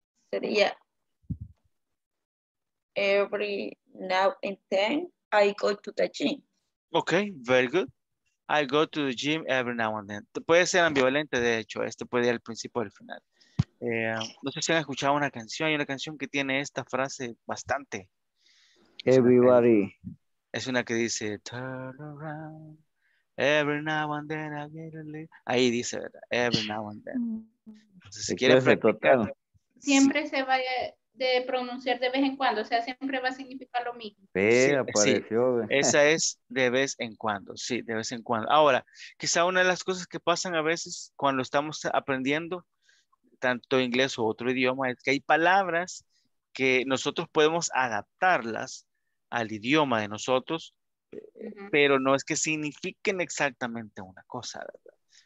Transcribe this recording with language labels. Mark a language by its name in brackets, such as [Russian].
[Spanish] Sería [English] every now and then I go to the gym. Ok, very good. I go to the gym every now and then. [Spanish] Puede ser ambivalente, de hecho. Este puede ir al principio o al final. No sé si han escuchado una canción. Hay una canción que tiene esta frase bastante. [English] Everybody. [Spanish] Es una que dice [English] turn around. Every now and then I get a little. [Spanish] Ahí dice, ¿verdad? [English] Every now and then. [Spanish] Entonces, si quieres practicar. Siempre sí. Se va de pronunciar de vez en cuando. O sea, siempre va a significar lo mismo. Pero sí, apareció. Sí. Esa es de vez en cuando. Sí, de vez en cuando. Ahora, quizá una de las cosas que pasan a veces cuando estamos aprendiendo tanto inglés o otro idioma, es que hay palabras que nosotros podemos adaptarlas al idioma de nosotros, pero no es que signifiquen exactamente una cosa, ¿verdad?